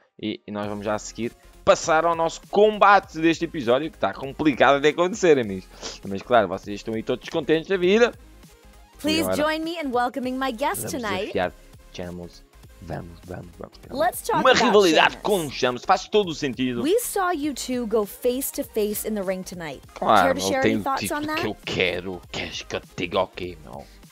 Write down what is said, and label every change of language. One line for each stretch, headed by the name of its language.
Portuguese: E nós vamos já a seguir passar ao nosso combate deste episódio, que está complicado de acontecer, amigos. Mas claro, vocês estão aí todos contentes da vida.
English: Please join me in welcoming my guest tonight.
Portuguese: Chamas. Vamos. Uma rivalidade com Chamas faz todo o sentido.
English: We saw you two go face to face in the ring tonight.
Portuguese: Claro, eu tenho o tipo que eu quero. Queres que eu te diga o quê, meu?